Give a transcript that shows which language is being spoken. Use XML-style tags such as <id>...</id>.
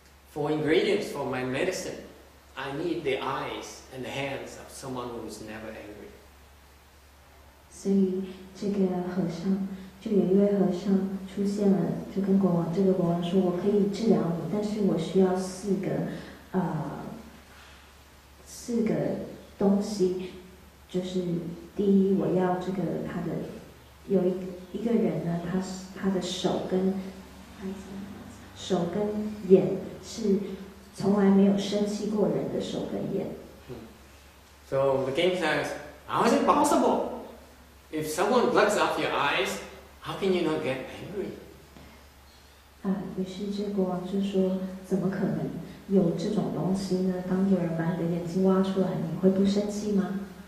<en>Four ingredients for my medicine. I need the eyes and the hands of someone who is never angry. So, this</en> <zh>和尚就有一位和尚出现了，就跟国王，这个国王说，我可以治疗你，但是我需要四个东西，就是第一，我要这个他的有一个人呢，他的手跟眼是从来没有生气过人的手跟眼。</zh> <en>So the game says, how is it possible? If someone blocks off your eyes,How can you not get angry?</en> <zh>于是这国王就说，怎么可能有这种东西呢？当有人把你的眼睛挖出来，你会不生气吗？</zh>